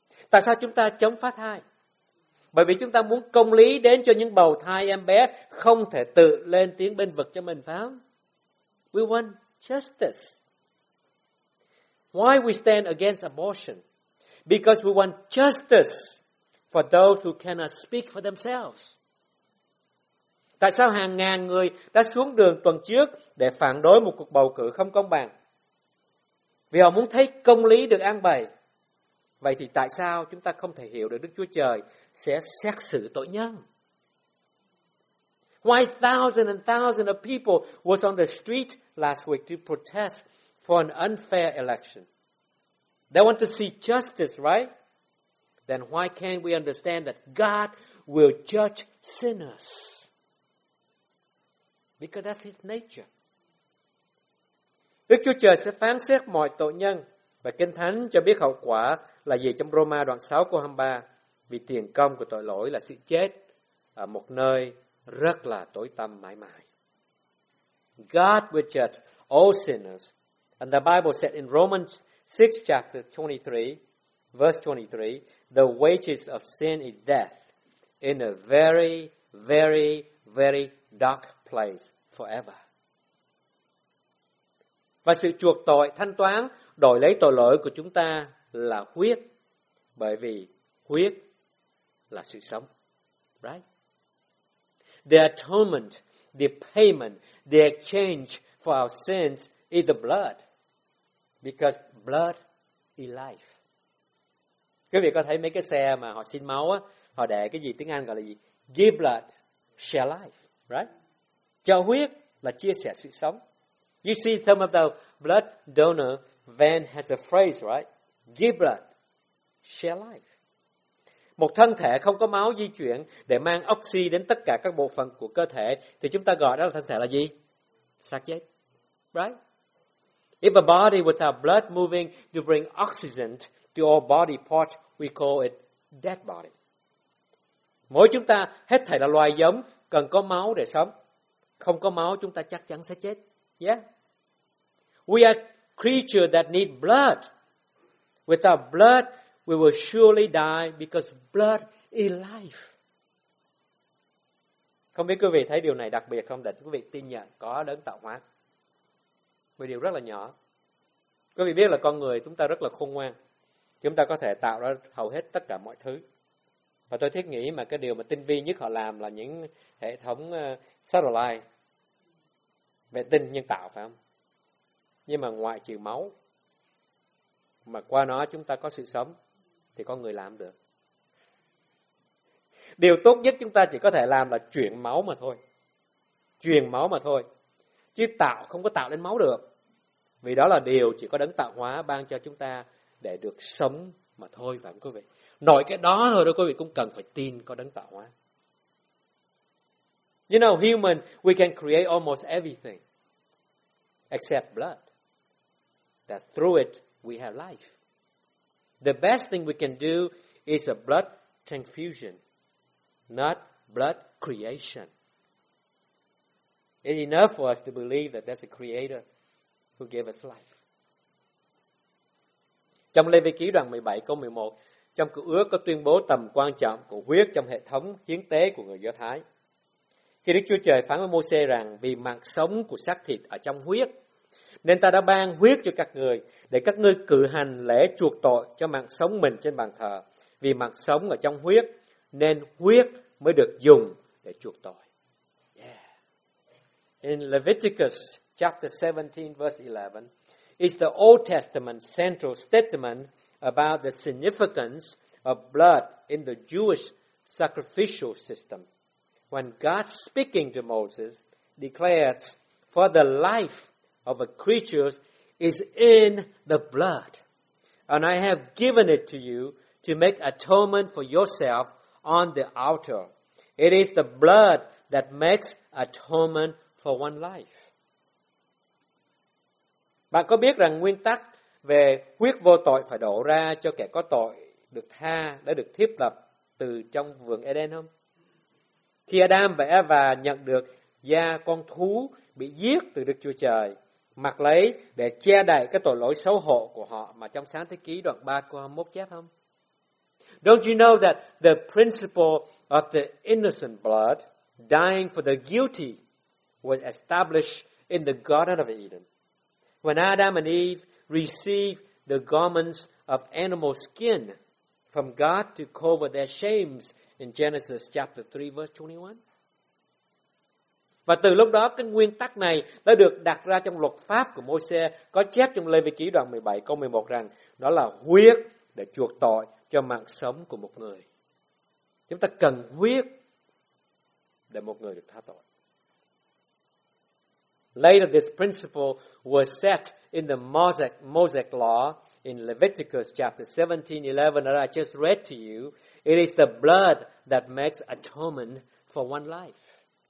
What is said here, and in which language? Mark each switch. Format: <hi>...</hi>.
<vi>Tại sao chúng ta chống phá thai? Bởi vì chúng ta muốn công lý đến cho những bầu thai em bé không thể tự lên tiếng bên vực cho mình, phải không?</vi> <en>We want justice. Why we stand against abortion? Because we want justice for those who cannot speak for themselves.</en> <vi>Tại sao hàng ngàn người đã xuống đường tuần trước để phản đối một cuộc bầu cử không công bằng? Vì họ muốn thấy công lý được an bày. Vậy thì tại sao chúng ta không thể hiểu được Đức Chúa Trời sẽ xét xử tội nhân?</vi> <en>Why thousands and thousands of people was on the street last week to protest for an unfair election? They want to see justice, right? Then why can't we understand that God will judge sinners? Because that's his nature.</en> <vi>Đức Chúa Trời sẽ phán xét mọi tội nhân. Và Kinh Thánh cho biết hậu quả là gì trong Roma đoạn 6 câu 23. Vì tiền công của tội lỗi là sự chết ở một nơi rất là tối tăm mãi mãi.</vi> <en>God will judge all sinners. And the Bible said in Romans 6 chapter 23, verse 23, the wages of sin is death in a very, very, very dark place forever.</en> <vi>Và sự chuộc tội, thanh toán, đổi lấy tội lỗi của chúng ta là huyết, bởi vì huyết là sự sống.</vi> <en>Right? The atonement, the payment, the exchange for our sins is the blood. Because blood is life.</en> <vi>Quý vị có thấy mấy cái xe mà họ xin máu á, họ để cái gì tiếng Anh gọi là gì?</vi> <en>Give blood, share life. Right?</en> <vi>Cho huyết là chia sẻ sự sống.</vi> <en>You see, some of the blood donor van has a phrase, right? Give blood, share life.</en> <vi>Một thân thể không có máu di chuyển để mang oxy đến tất cả các bộ phận của cơ thể, thì chúng ta gọi đó là thân thể là gì? Xác chết.</vi> <en>Right? If a body without blood moving to bring oxygen to all body parts, we call it dead body.</en> <vi>Mỗi chúng ta, hết thảy là loài giống, cần có máu để sống. Không có máu, chúng ta chắc chắn sẽ chết.</vi> <en>Yeah. We are creatures that need blood. Without blood, we will surely die because blood is life.</en> <vi>Không biết quý vị thấy điều này đặc biệt không? Để quý vị tin nhận có đấng tạo hóa. Một điều rất là nhỏ. Quý vị biết là con người chúng ta rất là khôn ngoan. Chúng ta có thể tạo ra hầu hết tất cả mọi thứ. Và tôi thiết nghĩ mà cái điều mà tinh vi nhất họ làm là những hệ thống satellite. Vệ tinh nhân tạo, phải không? Nhưng mà ngoại trừ máu, mà qua nó chúng ta có sự sống, thì con người làm được. Điều tốt nhất chúng ta chỉ có thể làm là chuyển máu mà thôi. Chuyển máu mà thôi. Chứ tạo không có tạo lên máu được. Vì đó là điều chỉ có đấng tạo hóa ban cho chúng ta để được sống mà thôi, phải không quý vị? Nội cái đó thôi đó quý vị cũng cần phải tin có đấng tạo hóa.</vi> <en>You know, human, we can create almost everything except blood. That through it, we have life. The best thing we can do is a blood transfusion, not blood creation. It's enough for us to believe that there's a creator who gave us life.</en> <vi>Trong Lê Vê Ký đoạn 17 câu 11, trong cựu ước có tuyên bố tầm quan trọng của huyết trong hệ thống hiến tế của người Do Thái. Khi Đức Chúa Trời phán với Mô-xê rằng vì mạng sống của xác thịt ở trong huyết, nên ta đã ban huyết cho các ngươi để các ngươi cử hành lễ chuộc tội cho mạng sống mình trên bàn thờ. Vì mạng sống ở trong huyết, nên huyết mới được dùng để chuộc tội.</vi> <en>Yeah. In Leviticus chapter 17 verse 11 is the Old Testament central statement about the significance of blood in the Jewish sacrificial system. When God speaking to Moses declares, for the life of a creature is in the blood, and I have given it to you to make atonement for yourself on the altar. It is the blood that makes atonement for one life.</en> <vi>Bạn có biết rằng nguyên tắc về huyết vô tội phải đổ ra cho kẻ có tội được tha đã được thiết lập từ trong vườn Eden không? Khi Adam và Eva nhận được da con thú bị giết từ Đức Chúa Trời, mặc lấy để che đậy cái tội lỗi xấu hổ của họ mà trong Sáng Thế Ký đoạn 3 câu 21 chép không?</vi> <en>Don't you know that the principle of the innocent blood dying for the guilty was established in the Garden of Eden? When Adam and Eve received the garments of animal skin from God to cover their shames in Genesis chapter 3, verse 21.</en> <vi>Và từ lúc đó, cái nguyên tắc này đã được đặt ra trong luật pháp của Môi-se, có chép trong Lê-vi Ký đoạn 17 câu 11 rằng đó là huyết để chuộc tội cho mạng sống của một người. Chúng ta cần huyết để một người được tha tội.</vi> <en>Later, this principle was set in the Mosaic law in Leviticus chapter 17:11 that I just read to you. It is the blood that makes atonement for one life.</en>